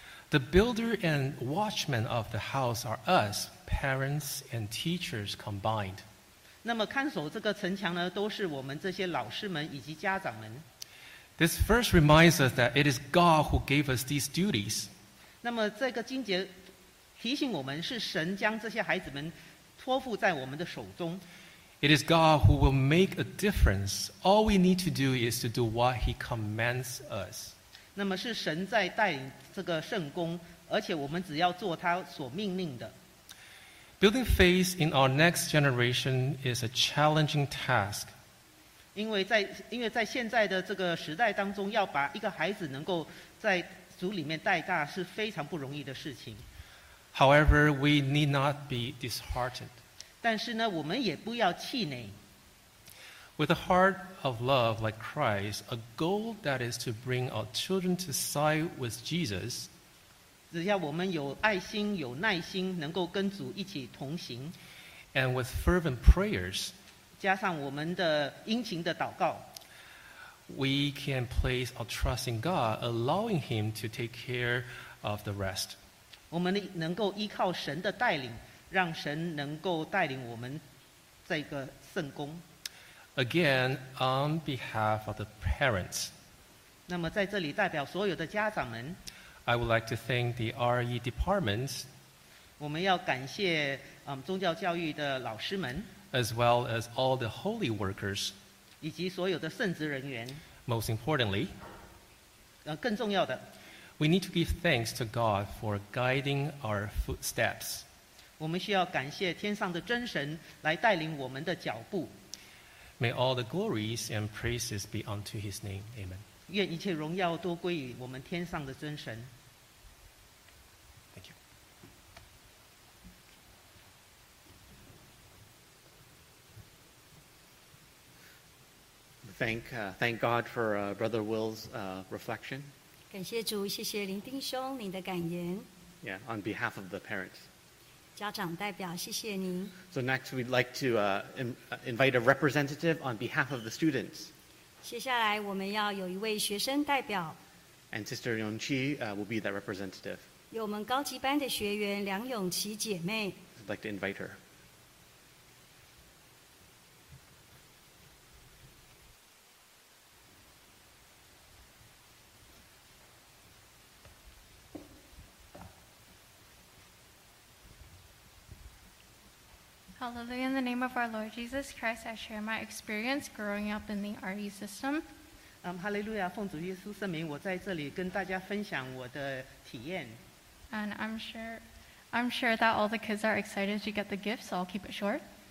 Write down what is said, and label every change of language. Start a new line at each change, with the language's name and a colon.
English: The builder and watchman of the house are us, parents and teachers combined.
Chinese: 那么看守这个城墙呢，都是我们这些老师们以及家长们。
English: This verse reminds us that it is God who gave us these duties.
Chinese: 那么这个经节提醒我们，是神将这些孩子们托付在我们的手中。
English: It is God who will make a difference. All we need to do is to do what He commands us.
Chinese: 那么是神在带领这个圣工，而且我们只要做他所命令的。
English: Building faith in our next generation is a challenging task.
Chinese: 因为在现在的这个时代当中，要把一个孩子能够在主里面带大，是非常不容易的事情。
English: However, we need not be disheartened.
Chinese: 但是呢，我们也不要气馁。
English: With a heart of love like Christ, a goal that is to bring our children to side with Jesus.
Chinese: 只要我们有爱心、有耐心，能够跟主一起同行。
English: And with fervent prayers.
Chinese: 加上我们的殷勤的祷告。
English: We can place our trust in God, allowing Him to take care of the rest.
Chinese: 我们能够依靠神的带领，让神能够带领我们这个圣工。
English: Again, on behalf of the parents.
Chinese: 那么在这里代表所有的家长们。
English: I would like to thank the RE departments.
Chinese: 我们要感谢宗教教育的老师们。
English: As well as all the holy workers.
Chinese: 以及所有的圣职人员。
English: Most importantly.
Chinese: 更重要的。
English: We need to give thanks to God for guiding our footsteps.
Chinese: 我们需要感谢天上的真神来带领我们的脚步。
English: May all the glories and praises be unto His name. Amen.
Chinese: 愿一切荣耀都归于我们天上的真神。
English: Thank you. Thank God for Brother Will's reflection.
Chinese: 感谢主，谢谢林丁兄您的感言。
English: Yeah, on behalf of the parents.
Chinese: 家长代表，谢谢您。
English: So next, we'd like to invite a representative on behalf of the students.
Chinese: 接下来我们要有一位学生代表。
English: And Sister Yongqi will be that representative.
Chinese: 有我们高级班的学员梁永琪姐妹。
English: I'd like to invite her. Hallelujah. In the name of our Lord Jesus Christ, I share my experience growing up in the RE system. Hallelujah.
Chinese: 奉主耶稣圣名，我在这里跟大家分享我的体验。
English: And I'm sure that all the kids are excited to get the gift, so I'll keep it short.